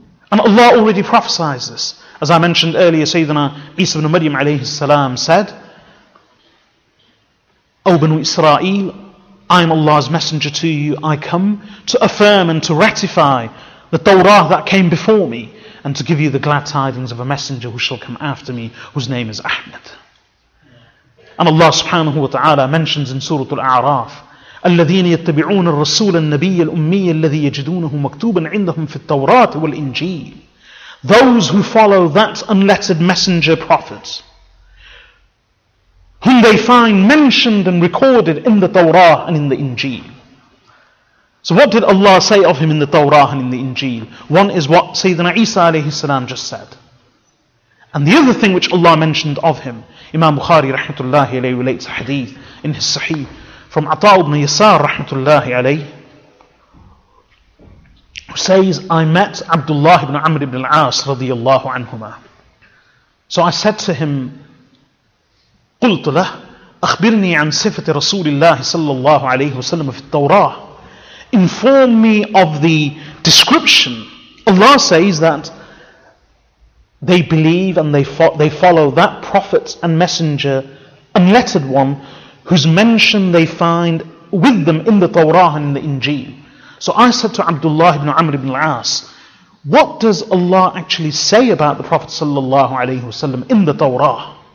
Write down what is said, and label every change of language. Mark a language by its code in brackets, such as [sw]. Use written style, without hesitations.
[en] And Allah already prophesies this. As I mentioned earlier, Sayyidina Isa ibn Maryam alayhi salam said, "O Banu Israel, I am Allah's messenger to you. I come to affirm and to ratify the Torah that came before me, and to give you the glad tidings of a messenger who shall come after me, whose name is Ahmed." And Allah subhanahu wa ta'ala mentions in Surah Al-A'raf, [ar] "الَّذِينَ يَتَّبِعُونَ الرَّسُولَ النَّبِيَّ الْأُمِّيَّ الَّذِي يَجِدُونَهُ مَكْتُوبًا عِنْدَهُمْ فِي التَّوْرَاةِ وَالْإِنْجِيلِ." [en] Those who follow that unlettered messenger prophet, whom they find mentioned and recorded in the Torah and in the Injil. So what did Allah say of him in the Torah and in the Injil? One is what Sayyidina Isa alayhi salam just said. And the other thing which Allah mentioned of him, Imam Bukhari rahmatullahi alayhi relates a hadith in his Sahih from Ata' ibn Yasar rahmatullahi alayhi, who says, "I met Abdullah ibn Amr ibn al-As radiyallahu anhumah. So I said to him, [ar] 'قلت له أخبرني عن صفة رسول الله صلى الله عليه وسلم في التوراة.' [en] Inform me of the description." Allah says that they believe and they follow that prophet and messenger, unlettered one, whose mention they find with them in the Torah and in the Injil. So I said to Abdullah ibn Amr ibn al-As, "What does Allah actually say about the Prophet sallallahu alayhi wasallam in the Torah?"